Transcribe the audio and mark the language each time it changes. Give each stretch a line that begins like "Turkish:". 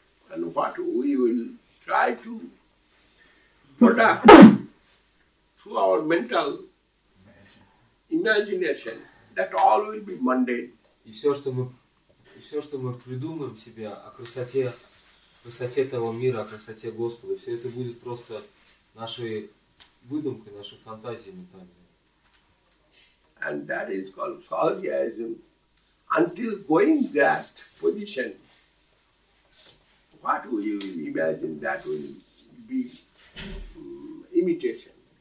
English: And what we will try to put up through our mental imagination, that all will be mundane.
Russian: И все, что мы придумаем себе о красоте этого мира, о красоте Господа, все это будет просто нашей выдумкой, нашей фантазией ментальной.
English: And that is called sahajism. Until going that position, what will you imagine that will be imitation?